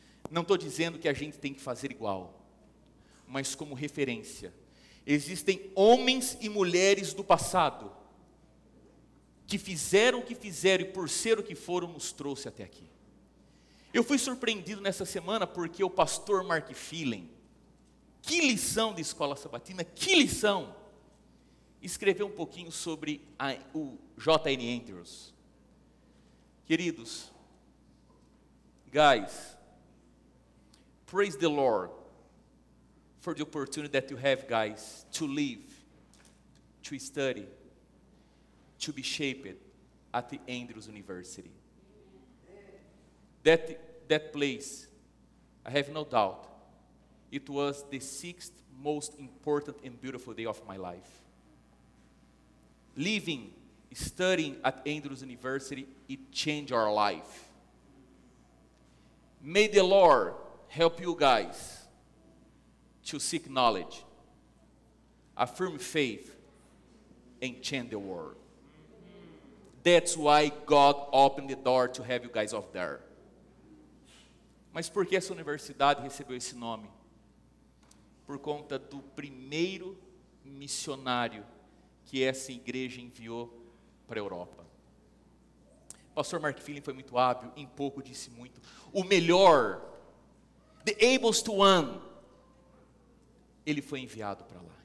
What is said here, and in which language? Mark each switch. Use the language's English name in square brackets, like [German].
[Portuguese] Não estou dizendo que a gente tem que fazer igual, mas como referência, existem homens e mulheres do passado que fizeram o que fizeram e por ser o que foram nos trouxe até aqui. Eu fui surpreendido nessa semana porque o pastor Mark Feeling, que lição de escola sabatina, que lição, escreveu um pouquinho sobre o J.N. Andrews. Queridos, [English] guys, praise the Lord for the opportunity that you have, guys, to live, to study, to be shaped at the Andrews University. That place, I have no doubt, it was the 6th most important and beautiful day of my life. Living, studying at Andrews University, it changed our life. May the Lord help you guys to seek knowledge, affirm faith, and change the world. That's why God opened the door to have you guys off there. [Portuguese] Mas por que essa universidade recebeu esse nome? Por conta do primeiro missionário que essa igreja enviou para a Europa. Pastor Mark Feeling foi muito hábil, em pouco disse muito. O melhor, [English] the ablest one, [Portuguese] ele foi enviado para lá.